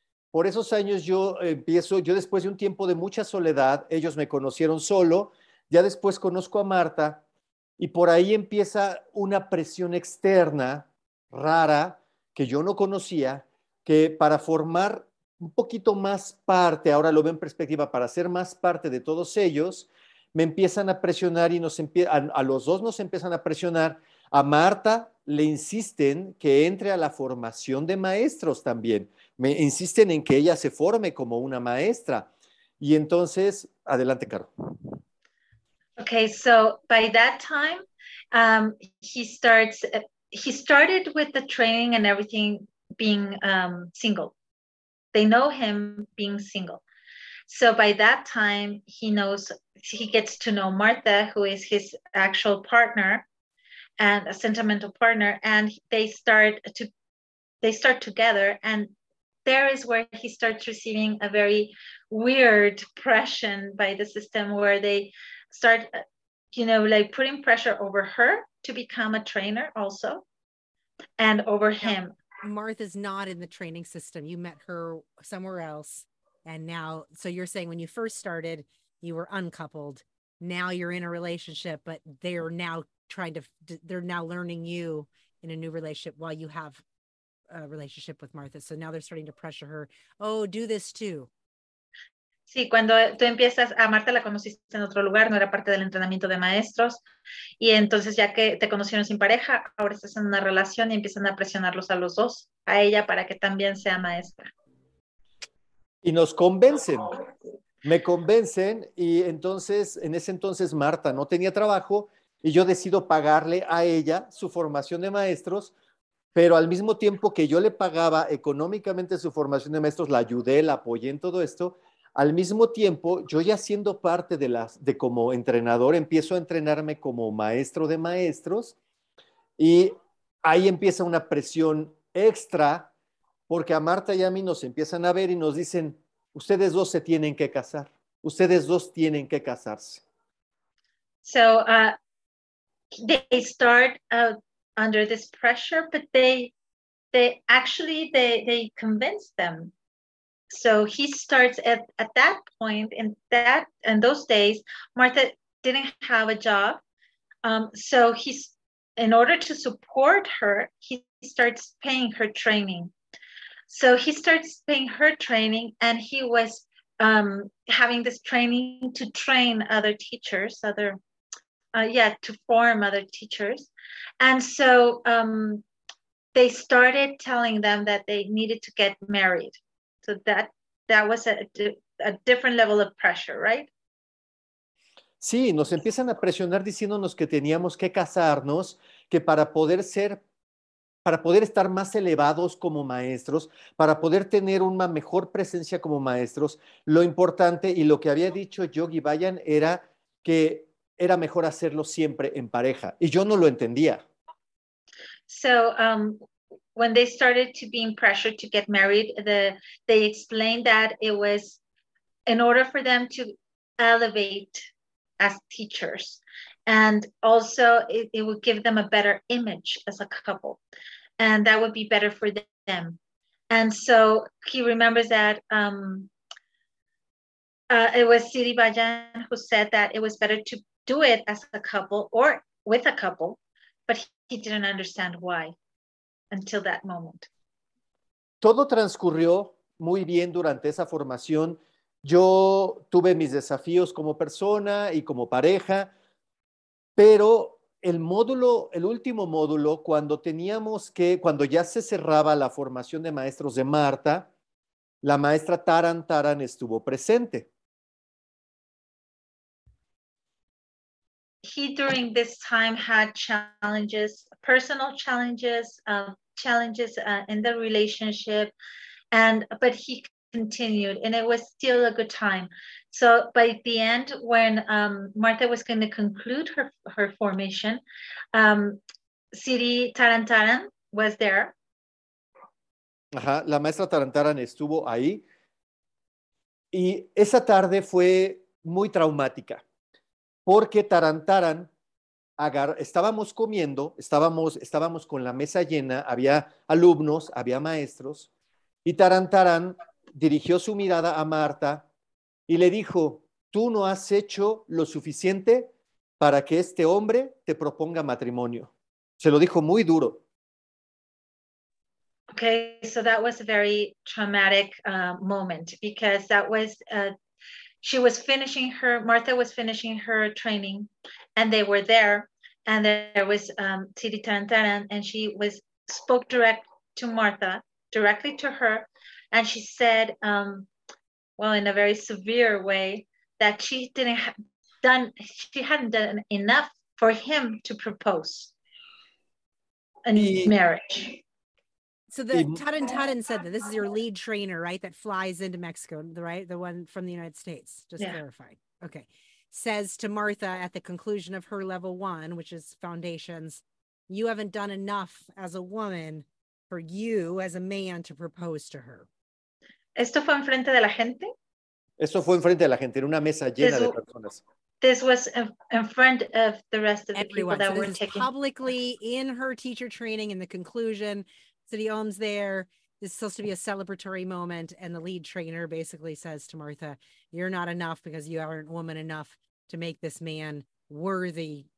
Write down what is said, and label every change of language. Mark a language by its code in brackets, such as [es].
[es] Por esos años yo después de un tiempo de mucha soledad, ellos me conocieron solo, ya después conozco a Marta y por ahí empieza una presión externa rara que yo no conocía, que para formar un poquito más parte, ahora lo veo en perspectiva, para ser más parte de todos ellos, me empiezan a presionar y a los dos nos empiezan a presionar. A Marta le insisten que entre a la formación de maestros también. Me insisten en que ella se forme como una maestra. Y entonces, adelante, Caro. [en] Okay, so by that time, he started with the training and everything being single. They know him being single. So by that time, he gets to know Martha, who is his actual partner and a sentimental partner, and they start together. And there is where he starts receiving a very weird pressure by the system, where they start, putting pressure over her to become a trainer also, and over him. Martha's not in the training system. You met her somewhere else. And now, so you're saying when you first started, you were uncoupled. Now you're in a relationship, but they're now learning you in a new relationship while you have a relationship with Martha. So now they're starting to pressure her. Oh, do this too. [es] Sí, cuando tú empiezas, a Marta la conociste en otro lugar, no era parte del entrenamiento de maestros. Y entonces ya que te conocieron sin pareja, ahora estás en una relación y empiezan a presionarlos a los dos, a ella para que también sea maestra. Y nos convencen, me convencen, y entonces, en ese entonces Marta no tenía trabajo, y yo decido pagarle a ella su formación de maestros, pero al mismo tiempo que yo le pagaba económicamente su formación de maestros, la ayudé, la apoyé en todo esto, al mismo tiempo yo ya siendo parte de como entrenador, empiezo a entrenarme como maestro de maestros, y ahí empieza una presión extra, porque a Marta y a mí nos empiezan a ver y nos dicen, ustedes dos se tienen que casar. Ustedes dos tienen que casarse. [en] So they start under this pressure, but they convince them. So he starts at that point, in those days, Marta didn't have a job. So he's, in order to support her, he starts paying her training. So he starts paying her training, and he was having this training to train other teachers, to form other teachers. And so they started telling them that they needed to get married. So that was a different level of pressure, right? [es] Sí, nos empiezan a presionar diciéndonos que teníamos que casarnos, que para poder estar más elevados como maestros, para poder tener una mejor presencia como maestros, lo importante y lo que había dicho Yogi Bhajan era que era mejor hacerlo siempre en pareja. Y yo no lo entendía. [en] So when they started to being pressured to get married, they explained that it was in order for them to elevate as teachers, and also it would give them a better image as a couple, and that would be better for them. And so he remembers that it was Siri Bajan who said that it was better to do it as a couple or with a couple, but he didn't understand why until that moment. [es] Todo transcurrió muy bien durante esa formación. Yo tuve mis desafíos como persona y como pareja, pero el módulo, el último módulo, cuando teníamos que, cuando ya se cerraba la formación de maestros de Marta, la maestra Taran Taran estuvo presente. [en] He, during this time, had challenges, personal challenges, challenges in the relationship, but he continued, and it was still a good time. So by the end, when Marta was going to conclude her formation, Siri Taran Taran was there. [es] Ajá, la maestra Taran Taran estuvo ahí. Y esa tarde fue muy traumática, porque Taran Taran, estábamos comiendo, estábamos con la mesa llena, había alumnos, había maestros, y Taran Taran dirigió su mirada a Marta y le dijo: tú no has hecho lo suficiente para que este hombre te proponga matrimonio. Se lo dijo muy duro. [en] Okay, so that was a very traumatic moment, because that was, Martha was finishing her training, and they were there, and there was Siri Taran Taran, and she spoke direct to Martha, directly to her. And she said, in a very severe way, that she hadn't done enough for him to propose marriage. So the Taran Taran said that this is your lead trainer, right? That flies into Mexico, right? The one from the United States, just clarifying. Okay. Says to Martha at the conclusion of her level one, which is foundations, you haven't done enough as a woman for you as a man to propose to her. [es] Esto fue enfrente de la gente. Esto fue enfrente de la gente, en una mesa llena de personas. [en] This was in front of the rest of the people that were taking. Publicly in her teacher training, in the conclusion, City Ohm's there. This is supposed to be a celebratory moment, and the lead trainer basically says to Martha, "You're not enough because you aren't woman enough to make this man worthy.